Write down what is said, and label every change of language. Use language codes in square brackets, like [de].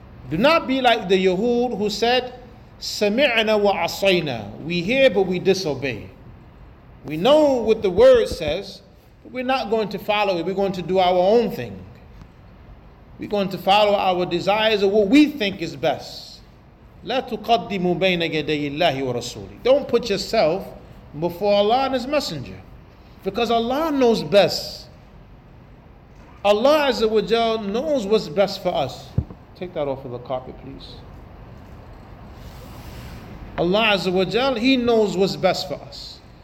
[en] Do not be like the Yahud who said [ar] sami'na wa asayna. [en] We hear but we disobey. We know what the word says, but we're not going to follow it. We're going to do our own thing. We're going to follow our desires or what we think is best. [ar] لا تقدموا بين يدي الله ورسوله. [en] Don't put yourself before Allah and His Messenger. Because Allah knows best. Allah Azza wa Jal knows what's best for us. Take that off of the carpet, please. Allah Azza wa Jal, He knows what's best for us.